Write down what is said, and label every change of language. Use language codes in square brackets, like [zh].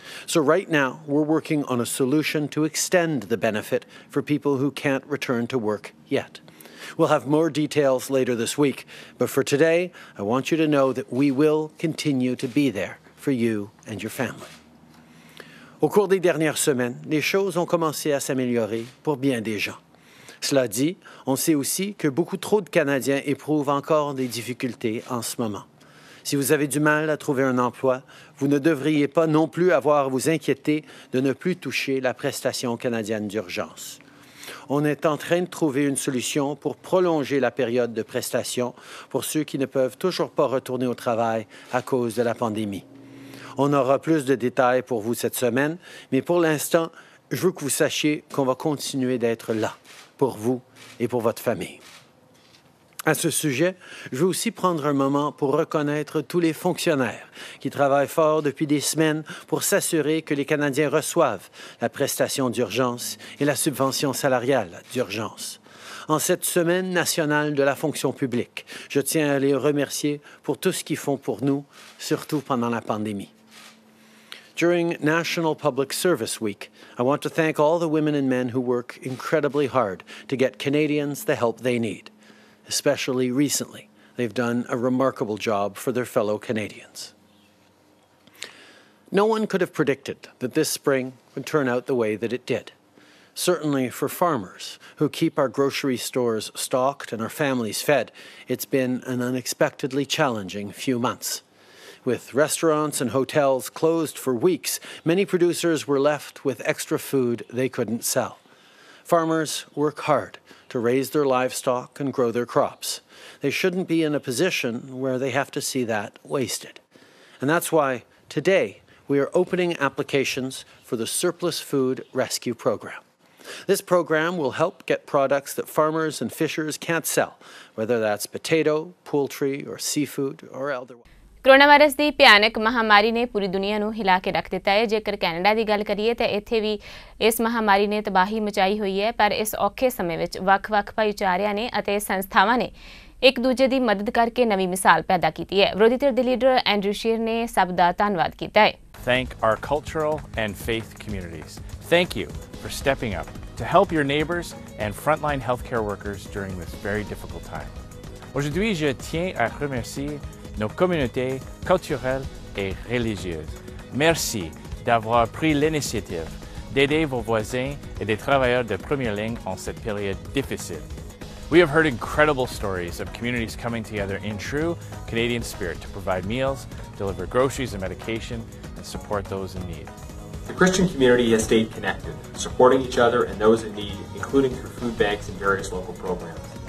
[en] So right now, we're working on a solution to extend the benefit for people who can't return to work yet. We'll have more details later this week, but for today, I want you to know that we will continue to be there for you and your family. [fr] Au cours des dernières semaines, les choses ont commencé à s'améliorer pour bien des gens. Cela dit, on sait aussi que beaucoup trop de Canadiens éprouvent encore des difficultés en ce moment. Si vous avez du mal à trouver un emploi, vous ne devriez pas non plus avoir à vous inquiéter de ne plus toucher la prestation canadienne d'urgence. On est en train de trouver une solution pour prolonger la période de prestation pour ceux qui ne peuvent toujours pas retourner au travail à cause de la pandémie. On aura plus de détails pour vous cette semaine, mais pour l'instant, je veux que vous sachiez qu'on va continuer d'être là. Pour vous et pour votre famille. À ce sujet, je veux aussi prendre un moment pour reconnaître tous les fonctionnaires qui travaillent fort depuis des semaines pour s'assurer que les Canadiens reçoivent la prestation d'urgence et la subvention salariale d'urgence. En cette semaine nationale de la fonction publique, je tiens à les remercier pour tout ce qu'ils font pour nous, surtout pendant la pandémie. [en] During National Public Service Week, I want to thank all the women and men who work incredibly hard to get Canadians the help they need. Especially recently, they've done a remarkable job for their fellow Canadians. No one could have predicted that this spring would turn out the way that it did. Certainly for farmers who keep our grocery stores stocked and our families fed, it's been an unexpectedly challenging few months. With restaurants and hotels closed for weeks, many producers were left with extra food they couldn't sell. Farmers work hard to raise their livestock and grow their crops. They shouldn't be in a position where they have to see that wasted. And that's why Today, we are opening applications for the Surplus Food Rescue Program. This program will help get products that farmers and fishers can't sell, whether that's potato, poultry, or seafood, or otherwise. [pa] Coronavirus ਦੀ ਭਿਆਨਕ ਮਹਾਮਾਰੀ ਨੇ ਪੂਰੀ ਦੁਨੀਆ ਨੂੰ ਹਿਲਾ ਕੇ ਰੱਖ ਦਿੱਤਾ ਹੈ। ਜੇਕਰ ਕੈਨੇਡਾ ਦੀ ਗੱਲ ਕਰੀਏ ਤਾਂ ਇੱਥੇ ਵੀ ਇਸ ਮਹਾਮਾਰੀ ਨੇ ਤਬਾਹੀ ਮਚਾਈ ਹੋਈ ਹੈ, ਪਰ ਇਸ ਔਖੇ ਸਮੇਂ ਵਿੱਚ ਵੱਖ-ਵੱਖ ਭਾਈਚਾਰਿਆਂ ਨੇ ਅਤੇ ਸੰਸਥਾਵਾਂ ਨੇ ਇੱਕ ਦੂਜੇ ਦੀ ਮਦਦ ਕਰਕੇ ਨਵੀਂ ਮਿਸਾਲ ਪੈਦਾ ਕੀਤੀ ਹੈ। ਵਿਰੋਧੀ ਧਿਰ ਦੇ ਲੀਡਰ ਐਂਡਰਿਊ ਸ਼ੀਅਰ ਨੇ ਸਭ ਦਾ ਧੰਨਵਾਦ ਕੀਤਾ ਹੈ। [en] Thank our cultural and faith communities. Thank you for stepping up to help your neighbors and frontline healthcare workers during this very difficult time. [fr] Aujourd'hui, je tiens à remercier nos communautés culturelles et religieuses. Merci d'avoir pris l'initiative d'aider vos voisins et des travailleurs de première ligne en cette période difficile. [en] We have heard incredible stories of communities coming together in true Canadian spirit to provide meals, deliver groceries and medication, and support those in need. The Christian community has stayed connected, supporting each other and those in need, including through food banks and various local programs.